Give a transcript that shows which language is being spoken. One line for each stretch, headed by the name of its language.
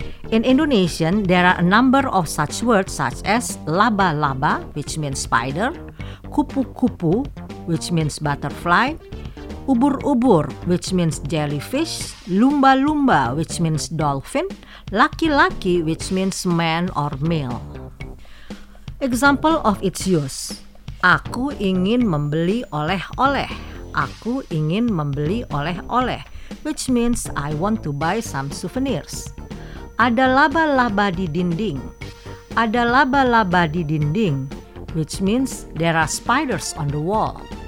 English: In Indonesian, there are a number of such words such as laba-laba, which means spider, kupu-kupu, which means butterfly, ubur-ubur, which means jellyfish, lumba-lumba, which means dolphin, laki-laki, which means man or male. Example of its use.
Indonesian: Aku ingin membeli oleh-oleh. Aku ingin membeli oleh-oleh,
English: which means I want to buy some souvenirs.
Indonesian: Ada laba-laba di dinding. Ada laba-laba di dinding,
English: which means there are spiders on the wall.